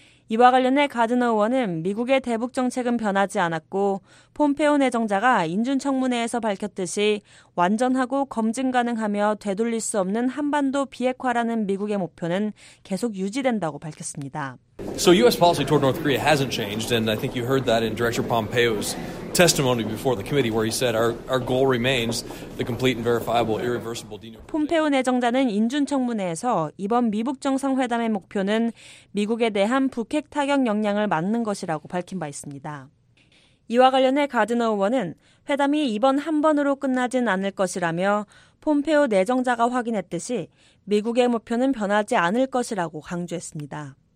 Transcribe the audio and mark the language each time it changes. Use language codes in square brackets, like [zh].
[ko] 이와 관련해 가드너 의원은 미국의 대북 정책은 변하지 않았고 폼페오 내정자가 인준청문회에서 밝혔듯이 완전하고 검증 가능하며 되돌릴 수 없는 한반도 비핵화라는 미국의 목표는 계속 유지된다고 밝혔습니다. [en] So U.S. policy toward North Korea hasn't changed, and I think you heard that in Director Pompeo's testimony before the committee where he said our goal remains the complete and verifiable irreversible denuclearization. [ko] 폼페오 내정자는 인준 청문회에서 이번 미북 정상회담의 목표는 미국에 대한 북핵 타격 역량을 막는 것이라고 밝힌 바 있습니다. 이와 관련해 가드너 의원은 회담이 이번 한 번으로 끝나진 않을 것이라며 폼페오 내정자가 확인했듯이 미국의 목표는 변하지 않을 것이라고 강조했습니다.